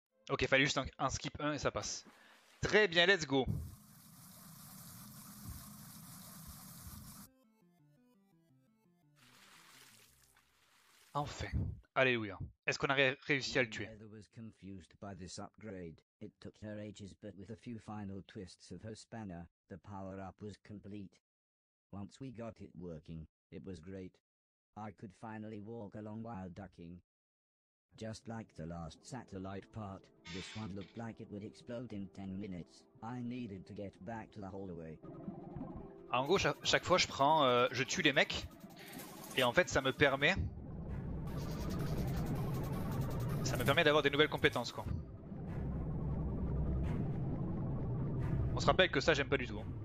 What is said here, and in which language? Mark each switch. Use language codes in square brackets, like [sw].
[fr] Ok, fallait juste un skip 1 et ça passe. Très bien, [en] let's go. [fr] Enfin. Alléluia. Est-ce qu'on a réussi à le tuer? [en] Mother was confused by this upgrade. It took her ages, but with a few final twists of her spanner, the power-up was complete. Once we got it working, it was great. I could finally walk along while ducking. Just like the last satellite part, this one looked like it would explode in 10 minutes. I needed to get back to the hallway. [fr] En gros, chaque fois, je tue les mecs. Et en fait, ça me permet d'avoir des nouvelles compétences, quoi. On se rappelle que ça, j'aime pas du tout.